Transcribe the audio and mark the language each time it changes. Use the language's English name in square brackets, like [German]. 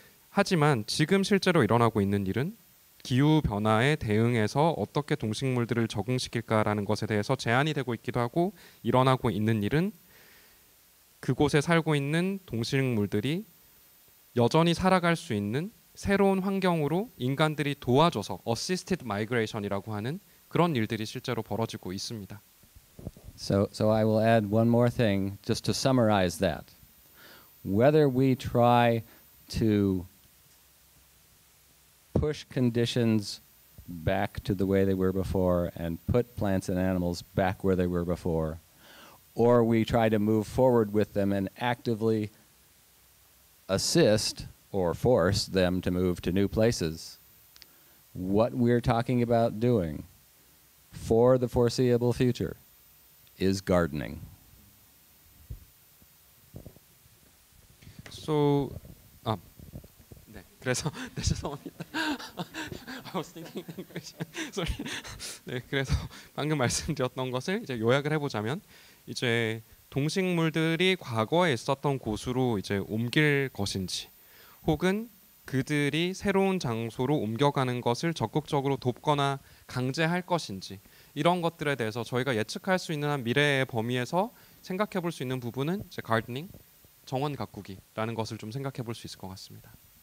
[Korean] 하지만 지금 실제로 일어나고 있는 일은 기후 변화에 대응해서 어떻게 동식물들을 적응시킬까라는 것에 대해서 제안이 되고 있기도 하고 일어나고 있는 일은 그곳에 살고 있는 동식물들이 여전히 살아갈 수 있는 새로운 환경으로 인간들이 도와줘서 assisted migration이라고 하는 그런 일들이 실제로 벌어지고 있습니다. [English] So I will add one more thing just to summarize that. Whether we try to push conditions back to the way they were before and put plants and animals back where they were before, or we try to move forward with them and actively assist or force them to move to new places, what we're talking about doing for the foreseeable future is gardening. [Korean] So, 아, 네, 그래서, 네, 죄송합니다. [English] I was thinking English. Sorry. [Korean] 네, 그래서 방금 말씀드렸던 것을 이제 요약을 해보자면 이제 동식물들이 과거에 있었던 곳으로 이제 옮길 것인지 혹은 그들이 새로운 장소로 옮겨가는 것을 적극적으로 돕거나 강제할 것인지 이런 것들에 대해서 저희가 예측할 수 있는 한 미래의 범위에서 생각해 볼 수 있는 부분은 이제 가드닝, 정원 가꾸기라는 것을 좀 생각해 볼 수 있을 것 같습니다.